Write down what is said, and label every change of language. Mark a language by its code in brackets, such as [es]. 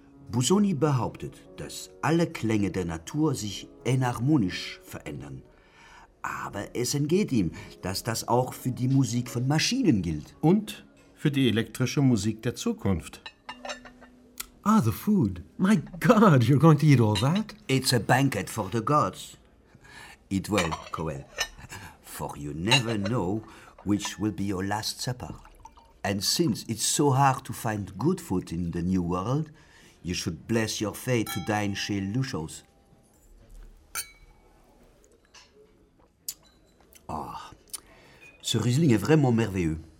[de] Busoni behauptet, dass alle Klänge der Natur sich enharmonisch verändern. Aber es entgeht ihm, dass das auch für die Musik von Maschinen gilt. Und für die elektrische Musik der Zukunft. [en] Ah, the food. My God, you're going to eat all that? It's a banquet for the gods. Eat well, Coel. For you never know which will be your last supper. And since it's so hard to find good food in the new world, you should bless your fate to dine chez Luchos. [fr] Oh, ce Riesling est vraiment merveilleux.